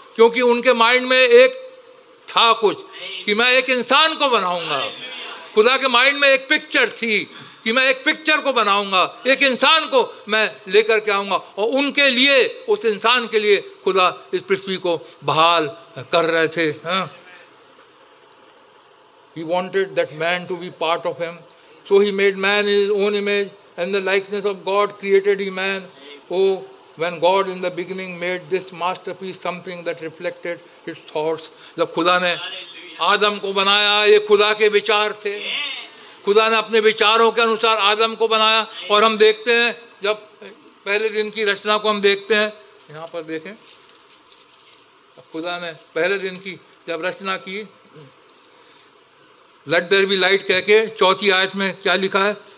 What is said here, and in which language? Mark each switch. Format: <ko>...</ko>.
<hi>क्योंकि उनके माइंड में एक था कुछ कि मैं एक इंसान को बनाऊंगा. खुदा के माइंड में एक पिक्चर थी कि मैं एक पिक्चर को बनाऊंगा, एक इंसान को मैं लेकर के आऊंगा और उनके लिए, उस इंसान के लिए खुदा इस पृथ्वी को बहाल कर रहे थे.</hi> <en>He wanted that man to be part of him. So he made man in his own image and the likeness of God created he man. Oh, when God in the beginning made this masterpiece something that reflected his thoughts.</en> <hi>जब खुदा ने आदम को बनाया, ये खुदा के विचार थे. खुदा ने अपने विचारों के अनुसार आदम को बनाया. और हम देखते हैं जब पहले दिन की रचना को हम देखते हैं, यहाँ पर देखें, खुदा ने पहले दिन की जब रचना की,</hi> <en>let there be light</en> <hi>कहके 4th आयत में क्या लिखा है?</hi>